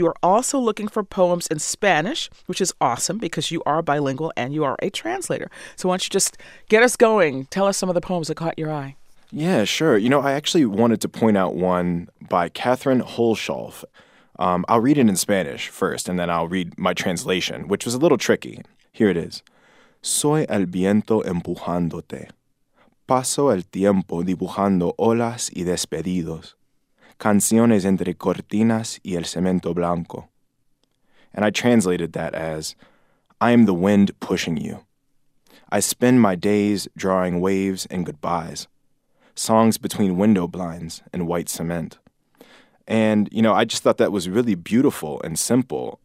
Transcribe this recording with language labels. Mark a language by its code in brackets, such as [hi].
[en] You are also looking for poems in Spanish, which is awesome because you are bilingual and you are a translator. So why don't you just get us going? Tell us some of the poems that caught your eye. Yeah, sure. You know, I actually wanted to point out one by Catherine Holschalf. I'll read it in Spanish first, and then I'll read my translation, which was a little tricky. Here it is. [es] Soy el viento empujándote. Paso el tiempo dibujando olas y despedidos. Canciones entre cortinas y el cemento blanco. [en] And I translated that as, I am the wind pushing you. I spend my days drawing waves and goodbyes. Songs between window blinds and white cement. And, you know, I just thought that was really beautiful and simple.